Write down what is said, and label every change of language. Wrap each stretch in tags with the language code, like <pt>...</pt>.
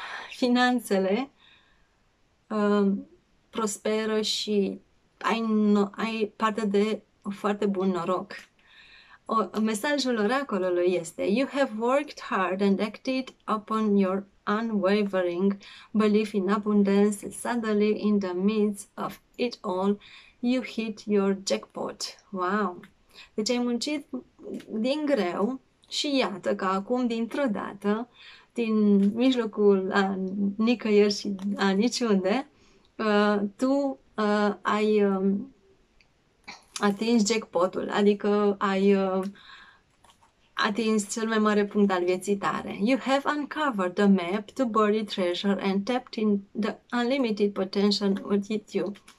<ro>Finanțele prosperă și ai parte de foarte bun noroc. Mesajul oracolului este:</ro> <en>You have worked hard and acted upon your unwavering belief in abundance, suddenly, in the midst of it all, you hit your jackpot. Wow!</en> <ro>Deci ai muncit din greu și iată că acum, dintr-o dată, din mijlocul a nicăieri și a niciunde, tu ai atins jackpotul, adică atins cel mai mare punct al vieții tale.</ro> <en>You have uncovered the map to buried treasure and tapped in the unlimited potential within you.</en>